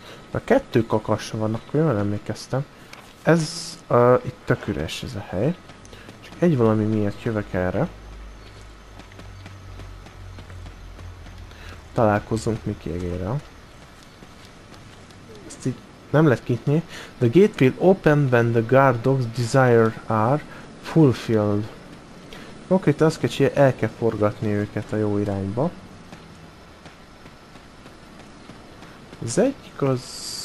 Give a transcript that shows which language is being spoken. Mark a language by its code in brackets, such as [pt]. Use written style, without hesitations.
[hu] A kettő kakasra van, akkor jól emlékeztem. Ez itt tök üres ez a hely. Csak egy valami miért jövök erre. Találkozunk Mikiegérrel. Ezt így nem lehet kinyitni. [en] The gate will open when the guard dog's desire are fulfilled. [hu] Oké, te azt kell csinálni, el kell forgatni őket a jó irányba. Az egyik az...